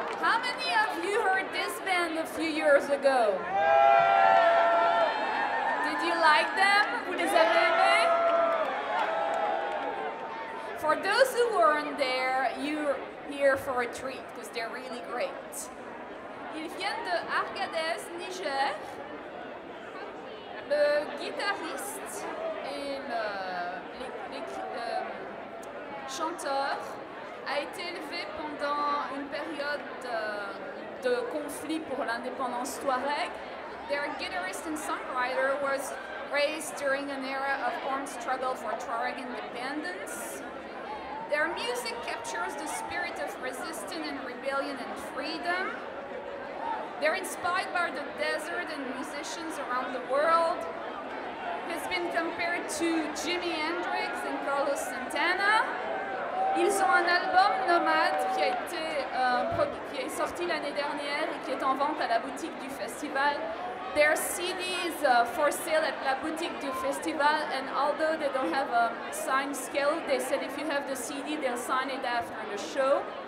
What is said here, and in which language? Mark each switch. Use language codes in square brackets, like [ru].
[en] How many of you heard this band a few years ago? Did you like them? [fr] Vous les avez aimés? [en] For those who weren't there, you're here for a treat because they're really great. [fr] Ils viennent de Argadès, Niger. Le guitariste et le chanteur a été élevé pendant une période de conflit pour l'indépendance Touareg. [en] Their guitarist and songwriter was raised during an era of armed struggle for Touareg independence. Their music captures the spirit of resistance and rebellion and freedom. They're inspired by the desert and musicians around the world. He's been compared to Jimi Hendrix and Carlos Santana. [fr] Ils ont un album Nomade qui a été qui est sorti l'année dernière et qui est en vente à la boutique du festival. [en] Their CD is for sale at La Boutique du Festival, and although they don't have a signed scale, they said if you have the CD, they'll sign it after the show.